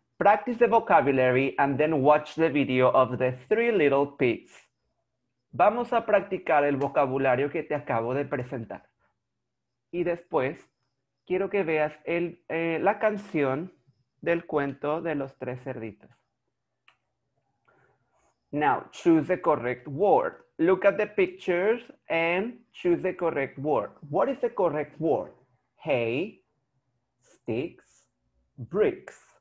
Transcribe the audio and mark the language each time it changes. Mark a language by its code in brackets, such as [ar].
[en] Practice the vocabulary and then watch the video of the three little pigs. [es] Vamos a practicar el vocabulario que te acabo de presentar. Y después, quiero que veas la canción del cuento de los tres cerditos. [en] Now, choose the correct word. Look at the pictures and choose the correct word. What is the correct word? Hay, sticks, bricks.